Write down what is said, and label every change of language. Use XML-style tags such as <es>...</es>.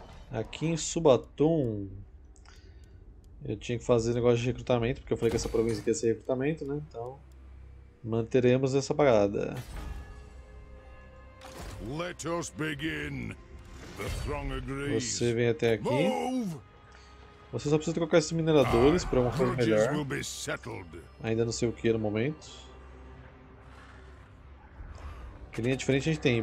<pt>Aqui em Subatum, eu tinha que fazer negócio de recrutamento, porque eu falei que essa província ia ser recrutamento, né? Então, manteremos essa parada.</pt> <en>Let us begin. The throng agrees.</en> <pt>Você vem até aqui.</pt> <en>Move!</en> <pt>Você só precisa trocar esses mineradores para uma forma melhor. Ainda não sei o que no momento. Que linha de frente a gente tem?</pt>